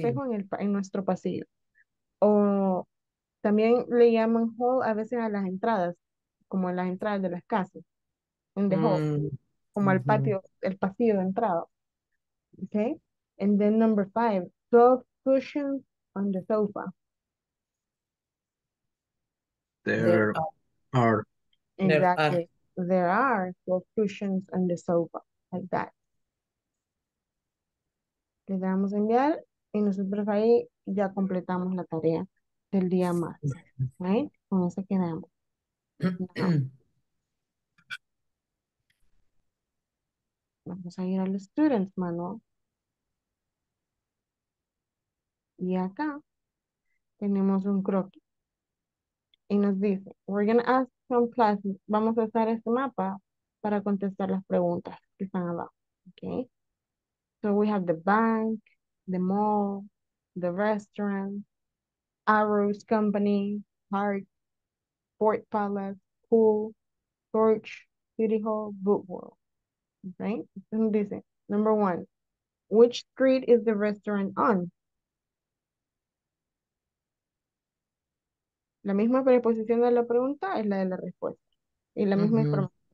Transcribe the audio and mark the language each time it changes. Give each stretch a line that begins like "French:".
Spanish: espejo en en nuestro pasillo. O también le llaman hall a veces a las entradas, como en las entradas de las casas, en the hall, como al patio, el pasillo de entrada. Okay.
English: And then number five, soft cushions on the sofa. There There are. are. There are. Exactly. There are soft cushions on the sofa, like that.
Spanish: Le damos a enviar y nosotros ahí ya completamos la tarea del día martes. ¿Right? Con eso quedamos. Now. Vamos a ir al Students Manual. Y acá tenemos un croquis. Y nos dice: We're gonna ask some classes. Vamos a usar este mapa para contestar las preguntas que están abajo. ¿Ok?
English: So we have the bank, the mall, the restaurant, Arrows Company, Park, Port Palace, Pool, Torch, City Hall, Bookworld. Right? And this is, number one, which street is the restaurant on?
Spanish: La misma preposición de la pregunta es la de la respuesta. Y la misma información.